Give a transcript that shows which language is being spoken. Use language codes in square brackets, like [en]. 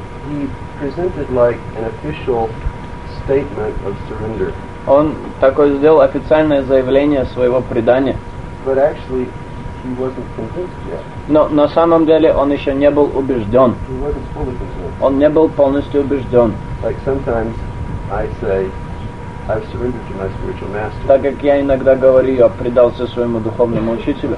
[en] He presented like an official statement of surrender. [ru] Он такой сделал официальное заявление своего предания. [en] But actually, he wasn't convinced yet. [ru] Но на самом деле он еще не был убежден. [en] He wasn't fully convinced. [ru] Он не был полностью убежден. [en] Like sometimes I say, I've surrendered to my spiritual master. [ru] Так как я иногда говорю, я предался своему духовному учителю.